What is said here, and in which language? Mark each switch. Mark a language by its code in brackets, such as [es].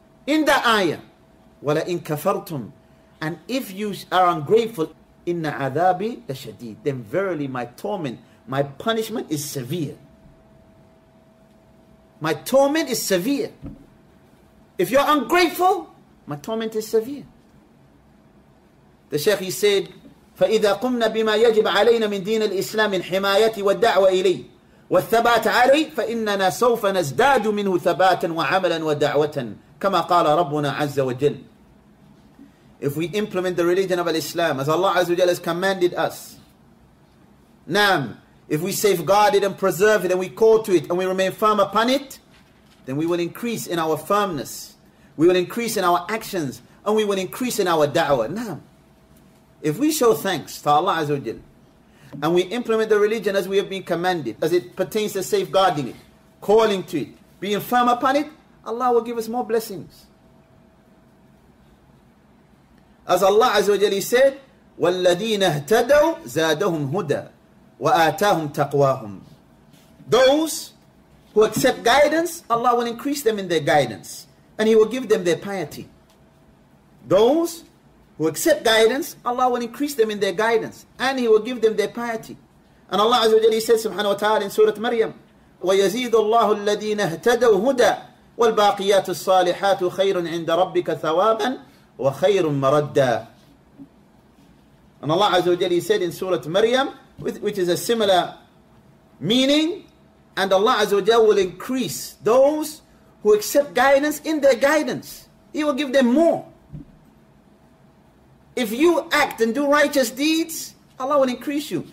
[en] In the ayah, [ar] وَلَئِن كَفَرْتُمْ, [en] and if you are ungrateful, [ar] إِنَّ عَذَابِي لَشَدِيدٍ, [en] then verily my torment, my punishment is severe. My torment is severe. If you're ungrateful, my torment is severe. The Shaykh, he said, [ar] فَإِذَا قُمْنَا بِمَا يَجِبْ عَلَيْنَا مِنْ دِينَ الْإِسْلَامِ الْحِمَايَةِ وَالدَّعْوَ إِلَيْهِ وَالثَّبَاتَ عَلَيْهِ فَإِنَّنَا سَوْفَ نَزْدَادُ مِنْهُ ثَبَاتًا وَعَمَلًا وَدَعْوَةً كَمَا قَالَ رَبُّنَا عَزَّ وَجَلْ. [en] If we implement the religion of Islam, as Allah Azza wa Jalla has commanded us, Naam, if we safeguard it and preserve it and we call to it and we remain firm upon it, then we will increase in our firmness. We will increase in our actions and we will increase in our da'wah. Naam. If we show thanks to Allah Azza wa Jalla and we implement the religion as we have been commanded, as it pertains to safeguarding it, calling to it, being firm upon it, Allah will give us more blessings. As Allah Azza wa Jalla said, [ar] وَالَّذِينَ اهْتَدَوْا زَادَهُمْ هُدَى وَآتَاهُمْ تَقْوَاهُمْ. [en] Those who accept guidance, Allah will increase them in their guidance. And He will give them their piety. Those who accept guidance, Allah will increase them in their guidance. And He will give them their piety. And Allah Azza wa Jalla said, subhanahu wa ta'ala, in Surah Maryam, [ar] وَيَزِيدُ اللَّهُ الَّذِينَ اهْتَدَوْا هُدَى وَالْبَاقِيَاتُ الصَّالِحَاتُ خَيْرٌ عِنْدَ رَبِّكَ ثَوَابًا وَخَيْرٌ مَرَدًّا. [en] And Allah Azza wa Jalla said in Surah Maryam, which is a similar meaning, and Allah Azza wa Jalla will increase those who accept guidance in their guidance. He will give them more. If you act and do righteous deeds, Allah will increase you.